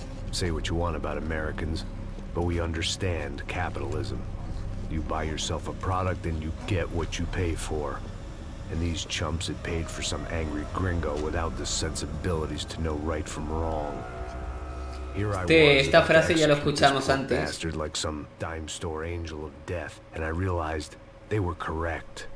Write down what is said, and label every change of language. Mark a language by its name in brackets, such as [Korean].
[English] Say what you want about Americans, but we understand capitalism. You buy yourself a product and you get what you pay for. And these chumps had paid for some angry gringo without the sensibilities to know right from wrong. Here I was, [Spanish] esta frase ya lo escuchamos antes. [English] Bastard like some dime store angel of death, and I realized they were correct.